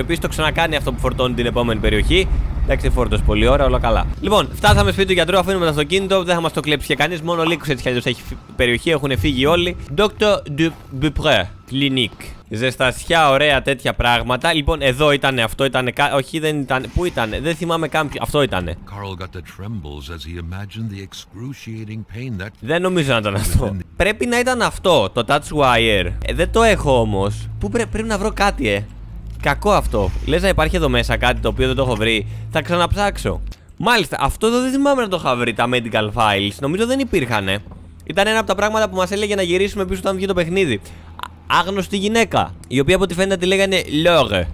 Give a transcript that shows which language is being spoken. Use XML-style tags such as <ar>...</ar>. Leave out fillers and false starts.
<el>Επίσης το ξανακάνει αυτό που φορτώνει την επόμενη περιοχή. Εντάξει, φόρτος πολύ ώρα, όλα καλά. Λοιπόν, φτάσαμε σπίτι του γιατρού, αφήνουμε το αυτοκίνητο, δεν θα μας το κλέψει και κανείς. Μόνο λίγο έτσι κι αλλιώς έχει περιοχή, έχουν φύγει όλοι. Dr. Dupré, Clinique. Ζεστασιά, ωραία τέτοια πράγματα. Λοιπόν, εδώ ήταν, αυτό ήταν. Όχι, δεν ήταν. Πού ήταν, δεν θυμάμαι καν. Αυτό ήταν.</el> <en>Carl got the trembles as he imagined the excruciating pain that...</en> <el>Δεν νομίζω να ήταν αυτό. Πρέπει να ήταν αυτό, το touch wire. Δεν το έχω όμως. Πού πρέπει να βρω κάτι, Κακό αυτό. Λες να υπάρχει εδώ μέσα κάτι το οποίο δεν το έχω βρει. Θα ξαναψάξω. Μάλιστα, αυτό εδώ δεν θυμάμαι να το είχα βρει. Τα</el> <en>medical files.</en> <el>Νομίζω δεν υπήρχαν. Ήταν ένα από τα πράγματα που μας έλεγε να γυρίσουμε πίσω όταν βγει το παιχνίδι. Άγνωστη γυναίκα, η οποία από ό,τι φαίνεται τη λέγανε Λόρε.</el>